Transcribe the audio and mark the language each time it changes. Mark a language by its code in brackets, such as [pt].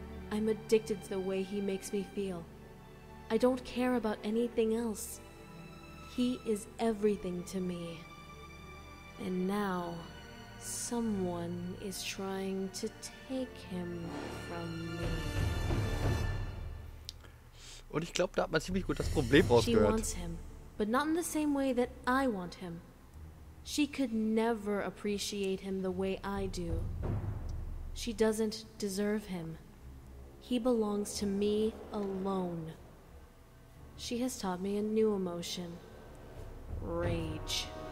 [en] I'm addicted to the way he makes me feel. I don't care about anything else. He is everything to me. And now, someone is trying to take him from me. [de] Und ich glaube, da hat man ziemlich gut das Problem rausgehört. [en] She wants him, but not in the same way that I want him. She could never appreciate him the way I do. She doesn't deserve him. He belongs to me alone. She has taught me a new emotion. Rage.